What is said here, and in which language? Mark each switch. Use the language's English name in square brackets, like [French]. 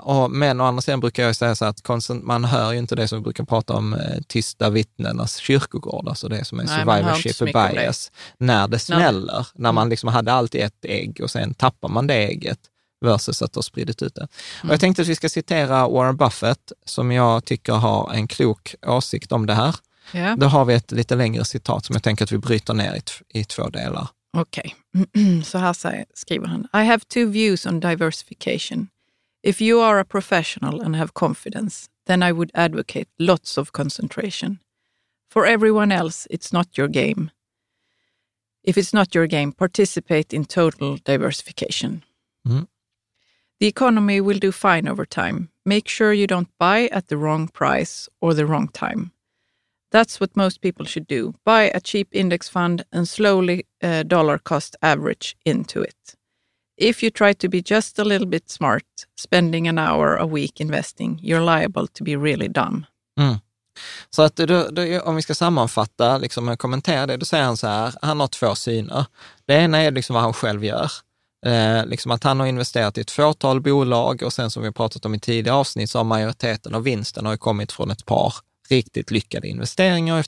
[Swedish] Men å andra sidan brukar jag säga så att man hör ju inte det som vi brukar prata om, tysta vittnenas kyrkogård, alltså det som är survivorship bias, när det smäller. Nej. När man liksom hade alltid ett ägg och sen tappar man det ägget. versus att ha spridit ut det. Mm. Och jag tänkte att vi ska citera Warren Buffett, som jag tycker har en klok åsikt om det här. [English] Yeah. [Swedish] Då har vi ett lite längre citat som jag tänker att vi bryter ner i två delar. Okej, okay. Så här skriver han. [English] I have two views on diversification. If you are a professional and have confidence, then I would advocate lots of concentration. For everyone else, it's not your game. If it's not your game, participate in total diversification. Mm. The economy will do fine over time. Make sure you don't buy at the wrong price or the wrong time. That's what most people should do. Buy a cheap index fund and slowly dollar cost average into it. If you try to be just a little bit smart, spending an hour a week investing, you're liable to be really dumb. Mm. [Swedish] Så att då, om vi ska sammanfatta, liksom kommentera det, då säger han så här, han har två syner. Det ena är liksom vad han själv gör. Liksom att han har investerat i ett fåtal bolag, och sen som vi pratat om i tidigare avsnitt, så har majoriteten av vinsten har kommit från ett par riktigt lyckade investeringar.